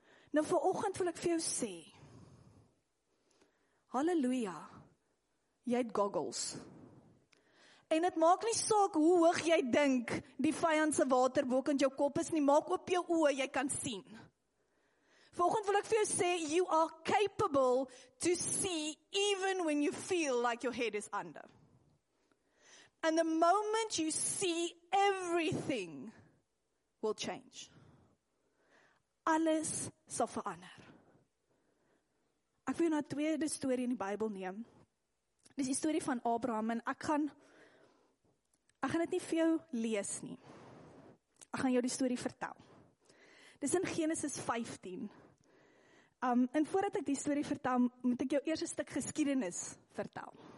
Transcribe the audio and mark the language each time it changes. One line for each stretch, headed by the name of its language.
Afrikaans: Nou vanoggend wil ek vir jou sê, halleluja, jy het goggles. En het maak nie saak hoe hoog jy dink die vyandse water bokant jou kop is nie, maak op jou oë, jy kan sien. Volgend wil ek vir jou sê,
English: you are capable to see even when you feel like your head is under. And the moment you see, everything will change.
Afrikaans: Alles sal verander. Ek wil nou 'n tweede storie in die Bybel neem. Dis die storie van Abraham en ek gaan dit nie vir jou lees nie. Ek gaan jou die storie vertel. Dis in Genesis 15. En voordat ek die story vertel, moet ek jou eers een stuk geskiedenis vertel.